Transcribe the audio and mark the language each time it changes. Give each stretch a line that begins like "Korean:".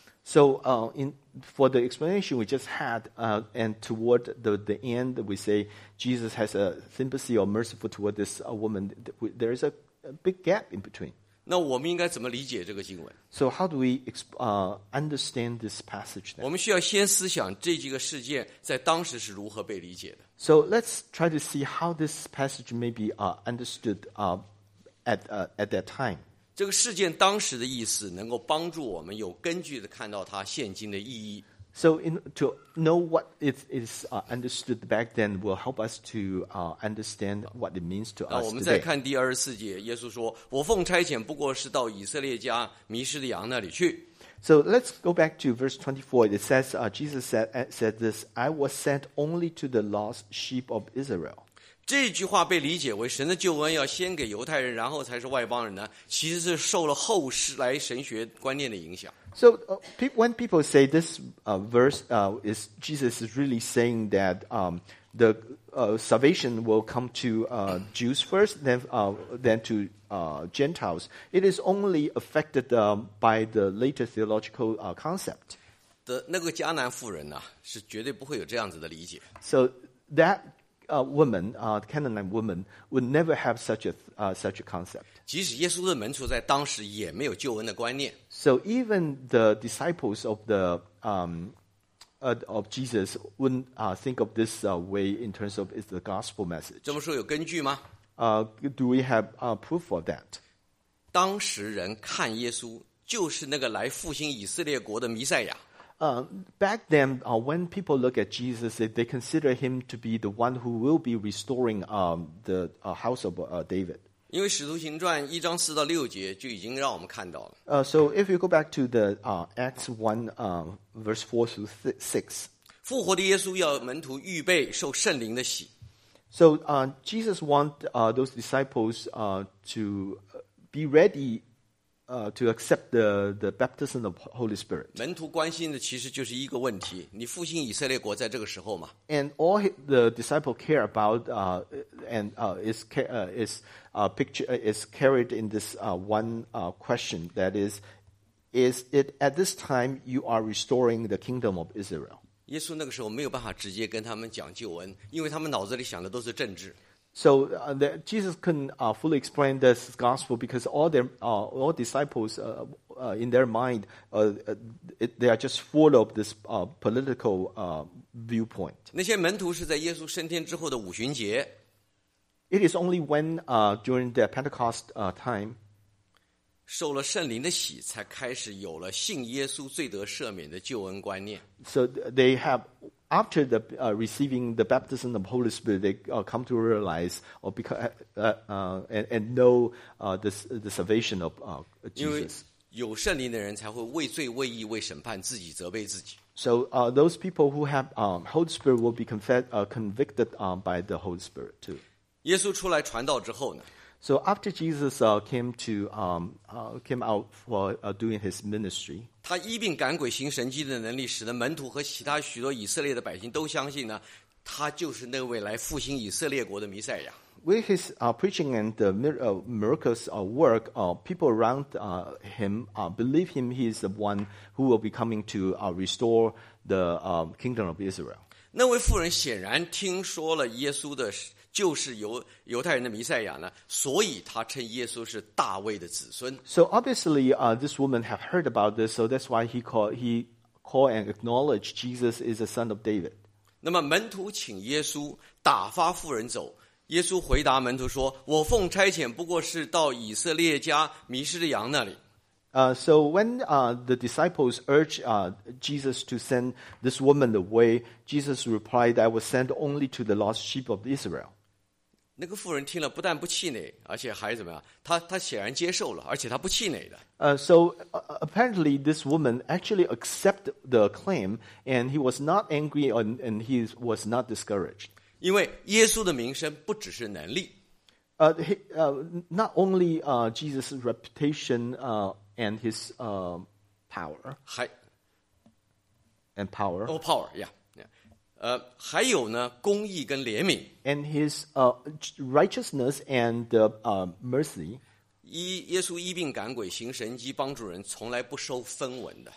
English: So, in for the explanation we just had, and toward the end, we say Jesus has a sympathy or merciful toward this woman. There is a big gap in between.
Chinese: 那我们应该怎么理解这个经文
English: ？So how do we understand this passage?、Then?
Chinese: 我们需要先思想这几个事件在当时是如何被理解的。
English: So let's try to see how this passage may be understood. At that time,
Chinese: 这个事件当时的意思能够帮助我们有根据的看到它现今的意义。
English: So in to know what it is understood back then will help us to understand what it means to us today.
Chinese: 我们再看第二十四节，耶稣说：“我奉差遣不过是到以色列家迷失的羊那里去。”
English: So let's go back to verse 24. It says, "Jesus said this: I was sent only to the lost sheep of Israel."
Chinese: 这句话被理解为神的救恩要先给犹太人，然后才是外邦人呢，其实是受了后世来神学观念的影响。
English: So when people say this verse is Jesus is really saying that the salvation will come to Jews first, then to Gentiles, it is only affected by the later theological concept.
Chinese: 的那个迦南妇人呢，是绝对不会有这样子的理解。
English: So that. Woman, the Canaanite woman would never have such a concept.
Chinese: 即使耶稣的门徒在当时也没有救恩的观念。
English: So even the disciples of the of Jesus wouldn't think of this way in terms of it's the gospel message.
Chinese: 这么说有根据吗？
English: Do we have proof of that?
Chinese: 当时人看耶稣就是那个来复兴以色列国的弥赛亚。
English: Back then, when people look at Jesus, they consider him to be the one who will be restoring the house of David.
Chinese: 因为《使徒行传》一章四到六节就已经让我们看到了。
English: So if you go back to the Acts 1, verse 4 through 6.
Chinese: 复活的耶稣要门徒预备受圣灵的洗。
English: So Jesus wants those disciples to be ready. To accept the baptism of Holy Spirit.
Chinese: 门徒关心的其实就是一个问题：你复兴以色列国在这个时候吗
English: ？And all the disciple care about is carried in this question that is it at this time you are restoring the kingdom of Israel?
Chinese: 耶稣那个时候没有办法直接跟他们讲救恩，因为他们脑子里想的都是政治。
English: So that Jesus couldn't fully explain this gospel because all their all disciples in their mind they are just full of this political viewpoint.
Chinese: 那些门徒是在耶稣升天之后的五旬节。
English: It is only when during the Pentecost time.
Chinese: 受了圣灵的洗，才开始有了信耶稣罪得赦免的救恩观念。
English: So they have after the receiving the baptism of Holy Spirit, they come to realize or because and know the salvation of Jesus.
Chinese: 因为有圣灵的人才会畏罪畏义畏审判自己责备自己。
English: So those people who have Holy Spirit will be convicted by the Holy Spirit too.
Chinese: 耶稣出来传道之后呢？
English: So after Jesus came out for doing his ministry,
Chinese: 他医病赶鬼行神迹的能力使得门徒和其他许多以色列的百姓都相信呢，他就是那位来复兴以色列国的弥赛亚。
English: With his preaching and the miracles work, people around him believe him. He is the one who will be coming to restore the kingdom of Israel.
Chinese: 那位妇人显然听说了耶稣的。就是犹太人的弥赛亚呢，所以他称耶稣是大卫的子孙。
English: So obviously, this woman have heard about this, so that's why he called and acknowledged Jesus is the son of David.
Chinese: 那么门徒请耶稣打发妇人走，耶稣回答门徒说：“我奉差遣不过是到以色列家迷失的羊那里。”
English: So when the disciples urged Jesus to send this woman away, Jesus replied, "I was sent only to the lost sheep of Israel."
Chinese: 那个妇人听了不但不气馁，而且还怎么样？她显然接受了，而且她不气馁的。
English: So apparently this woman actually accepted the claim, and he was not angry and he was not discouraged.
Chinese: 因为耶稣的名声不只是能力。
English: Not only Jesus' reputation and his power.
Chinese: 还
English: and power. Oh, power, yeah.
Chinese: 还有呢，公义跟怜悯
English: ，and his righteousness and mercy.
Chinese: 耶稣医病赶鬼行神迹帮助人，从来不收分文的。